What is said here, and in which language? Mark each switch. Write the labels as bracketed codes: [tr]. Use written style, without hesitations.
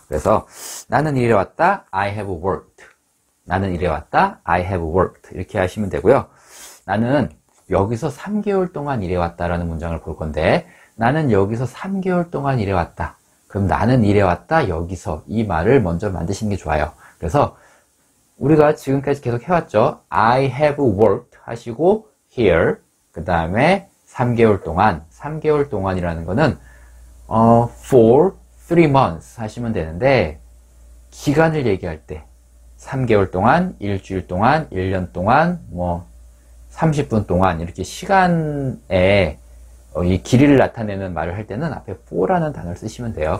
[ko] 그래서 나는 일해왔다. [en] I have worked. [ko] 나는 일해왔다. I have worked. 이렇게 하시면 되고요. 나는 여기서 3개월 동안 일해왔다라는 문장을 볼 건데, 나는 여기서 3개월 동안 일해왔다. 그럼 나는 일해왔다. 여기서 이 말을 먼저 만드시는 게 좋아요. 그래서 우리가 지금까지 계속 해왔죠. [en] I have worked [ko] 하시고 [en] here. [ko] 그 다음에 3개월 동안. 3개월 동안이라는 거는 [en] for 3 months [ko] 하시면 되는데, 기간을 얘기할 때 3개월 동안, 일주일 동안, 1년 동안, 뭐 30분 동안, 이렇게 시간의 이 길이를 나타내는 말을 할 때는 앞에 for라는 단어를 쓰시면 돼요.